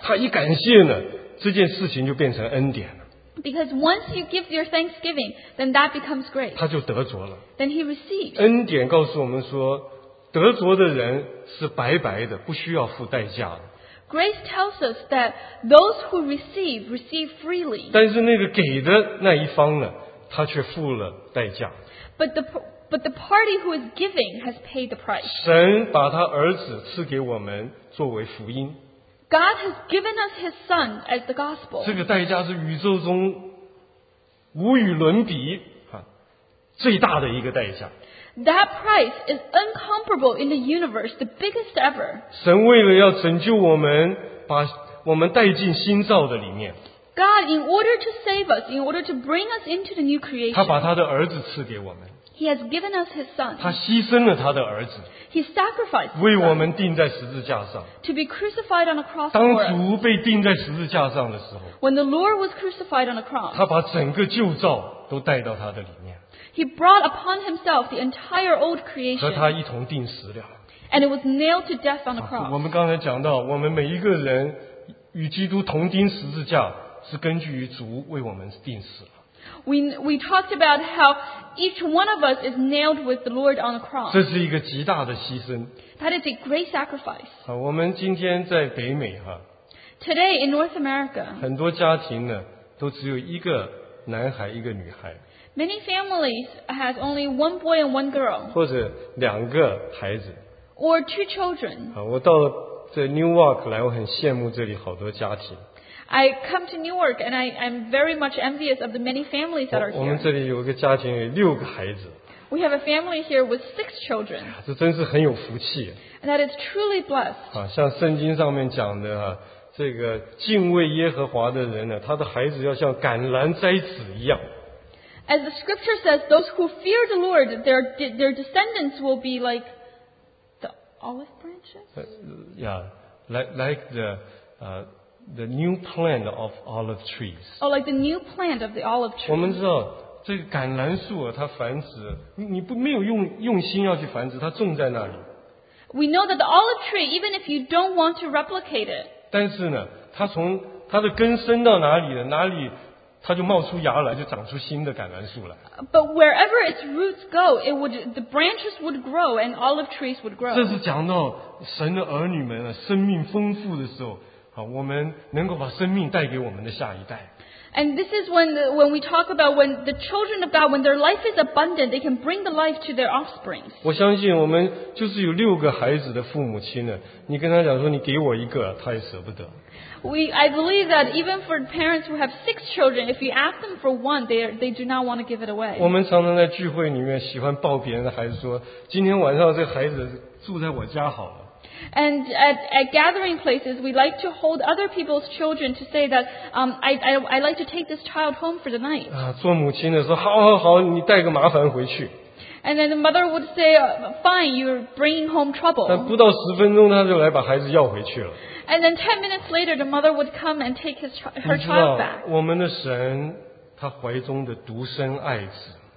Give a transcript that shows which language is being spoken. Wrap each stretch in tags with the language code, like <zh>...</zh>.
<zh>他一感谢呢, 这件事情就变成恩典了。</zh> <en>Because once you give your thanksgiving, then that becomes grace.</en> <zh>他就得着了。</zh> <en>Then he receives.</en> <zh>恩典告诉我们说, 得着的人是白白的, 不需要付代价的。</zh> <en>Grace tells us that those who receive, receive freely.</en> <zh>但是那个给的那一方呢, 他却付了代价。</zh> <en>But the party who is giving has paid the price.</en> <zh>神把他儿子赐给我们作为福音。</zh> <en>God has given us his son as the gospel.</en> <zh>这个代价是宇宙中无与伦比最大的一个代价。</zh> <en>That price is incomparable in the universe, the biggest ever.</en> <zh>神为了要拯救我们，把我们带进新造的里面。</zh> <en>God, in order to save us, in order to bring us into the new creation,</en> <zh>他把他的儿子赐给我们。</zh> <en>He has given us his son.</en> <zh>他牺牲了他的儿子。</zh> <en>He sacrificed for us.</en> <zh>为我们钉在十字架上。</zh> <en>To be crucified on a cross.</en> <zh>当主被钉在十字架上的时候。</zh> <en>When the Lord was crucified on a cross.</en> <zh>他把整个旧造都带到他的里面。</zh> <en>He brought upon himself the entire old creation.</en> <zh>和他一同钉死了。</zh> <en>And it was nailed to death on a cross.</en> <zh>我们刚才讲到, 我们每一个人与基督同钉十字架, 是根据于主为我们钉死了。</zh> <en>We talked about how each one of us is nailed with the Lord on the cross.</en> <zh>这是一个极大的牺牲。</zh> <en>That is a great sacrifice.</en> <zh>我们今天在北美,</zh> <en>today in North America,</en> <zh>很多家庭呢, 都只有一个男孩一个女孩。</zh> <en>Many families have only one boy and one girl.</en> <zh>或者两个孩子。</zh> <en>Or two children.</en> <zh>我到了这Newark 来, 我很羡慕这里好多家庭。</zh> <en>I come to Newark and I'm very much envious of the many families that are here.</en> <zh>我们这里有一个家庭有六个孩子。</zh> <en>We have a family here with six children.</en> <zh>这真是很有福气。</zh> <en>And that is truly blessed.</en> <zh>像圣经上面讲的, 这个敬畏耶和华的人呢, 他的孩子要像橄榄摘子一样。</zh> <en>As the scripture says, those who fear the Lord, their descendants will be like the olive branches? Yeah, like the... The new plant of olive trees. Oh, like the new plant of the olive tree.</en> <zh>我们知道这个橄榄树啊, 它繁殖, 你没有用心要去繁殖, 它种在那里。</zh> <en>We know that the olive tree, even if you don't want to replicate it.</en> <zh>但是呢, 它从它的根伸到哪里了, 哪里, 它就冒出芽来, 就长出新的橄榄树来。</zh> <en>But wherever its roots go, it would, the branches would grow and olive trees would grow.</en> <zh>这是讲到神的儿女们啊, 生命丰富的时候, 我们能够把生命带给我们的下一代。</zh> <en>And this is when we talk about when the children of God, when their life is abundant, they can bring the life to their offspring.</en> <zh>我相信我们就是有六个孩子的父母亲呢, 你跟他讲说你给我一个, 他也舍不得。</zh> <en>I believe that even for parents who have six children, if you ask them for one, they do not want to give it away.</en> <zh>我们常常在聚会里面喜欢抱别人的孩子说, 今天晚上这孩子住在我家好了。</zh> <en>And at gathering places, we like to hold other people's children to say that I like to take this child home for the night.</en> <zh>做母亲的说好好好，你带个麻烦回去。</zh> <en>And then the mother would say, fine, you're bringing home trouble.</en> <zh>但不到10分钟, 他就来把孩子要回去了。</zh> <en>And then 10 minutes later, the mother would come and take her child back.</en> <zh>我们的神, 他怀中的独生爱子,</zh>